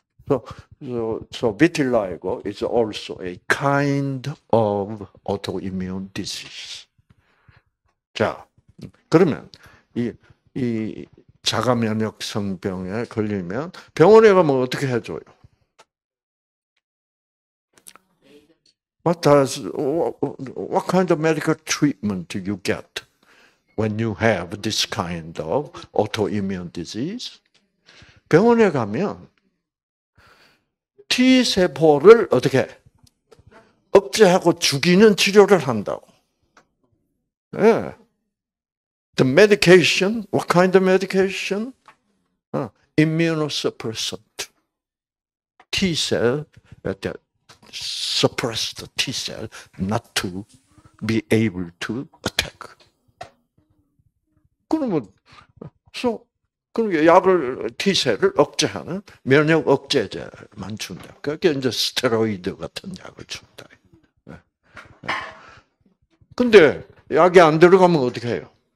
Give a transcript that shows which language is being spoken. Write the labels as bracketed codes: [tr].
[en] So vitiligo is also a kind of autoimmune disease. [ko] 자, 그러면 이 자가 면역성 병에 걸리면 병원에 가면 어떻게 해줘요? 맞다. [en] What kind of medical treatment do you get? When you have this kind of autoimmune disease, [ko] 병원에 가면 T 세포를 어떻게 억제하고 죽이는 치료를 한다고. Yeah. [en] The medication, what kind of medication? Immunosuppressant. T cell, suppress the T cell not to be able to attack. [ko] 그러면, so, 그러면 약을, T세를 억제하는 면역 억제제만 준다. 그게 이제 스테로이드 같은 약을 준다. 근데 약이 안 들어가면 어떻게 해요?